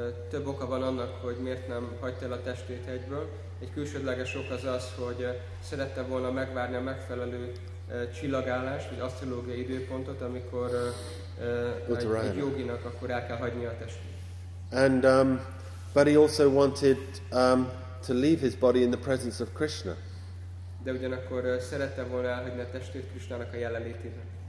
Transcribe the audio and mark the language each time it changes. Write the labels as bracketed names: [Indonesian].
[Hungarian] Több oka van annak, hogy miért nem hagyta el a testét egyből. Egy külsődleges ok az az, hogy szerette volna megvárni a megfelelő csillagállást, vagy asztrológiai időpontot, amikor egy yoginak akkor el kell hagynia a testét. [English] And but he also wanted to leave his body in the presence of Krishna. [Hungarian] De ugyanakkor szerette volna elhagyni a testét Krishnának a jelenlétében.